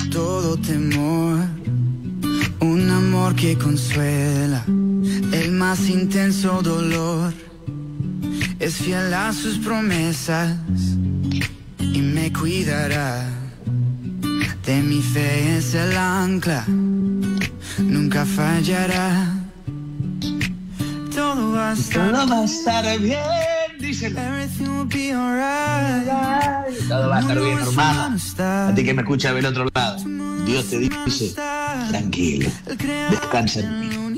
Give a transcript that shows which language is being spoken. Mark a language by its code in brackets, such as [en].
[es] Todo temor, un amor que consuela, el más intenso dolor, es fiel a sus promesas y me cuidará. De mi fe es el ancla, nunca fallará. Todo va a estar, todo va a estar bien, díselo. [en] Everything will be alright. [es] Todo va a estar bien, hermano. A ti que me escuchas del otro lado, Dios te dice, tranquilo, descansa en mí.